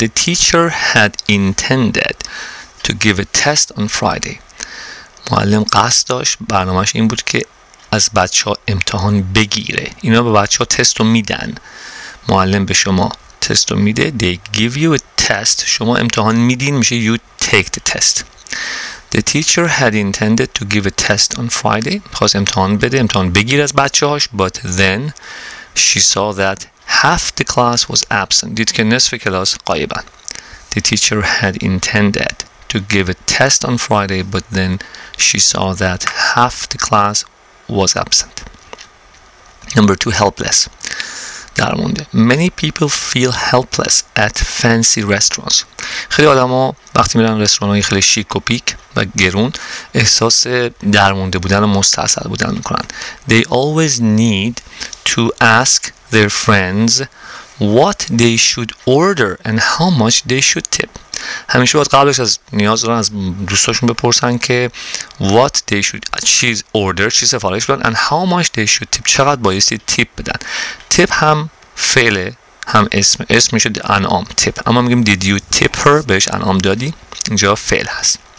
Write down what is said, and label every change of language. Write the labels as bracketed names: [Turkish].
[English] The teacher had intended to give a test on Friday. [Persian] معلم قصد داشت برنامهش این بود که از بچه ها امتحان بگیره. اینا به بچه ها تست رو میدن. معلم به شما تست رو میده. [English] They give you a test. [Persian] شما امتحان میدین, میشه [English] you take the test. The teacher had intended to give a test on Friday. [Persian] خواست امتحان بده, امتحان بگیره از بچه هاش. [English] But then she saw that half the class was absent. [Persian] دید که نصف کلاس غایبن. [English] The teacher had intended to give a test on Friday, but then she saw that half the class was absent. Number 2, helpless. [Persian] درمونده. [English] Many people feel helpless at fancy restaurants. [Persian] خیلی آدم ها وقتی میرن رستوران های خیلی شیک و پیک و گرون احساس درمونده بودن و مستعصل بودن میکنن. [English] They always need to ask their friends what they should order and how much they should tip. [Persian] همیشه باید قبلش از نیاز دارن از دوستاشون بپرسن که [English] what they should order, [Persian] چی سفارش بدن, [English] and how much they should tip, [Persian] چقدر بایستی تیپ بدن. تیپ هم فعله, هم اسم میشه انعام tip, اما میگیم [English] did you tip her, [Persian] بهش انعام دادی, اینجا فعل هست.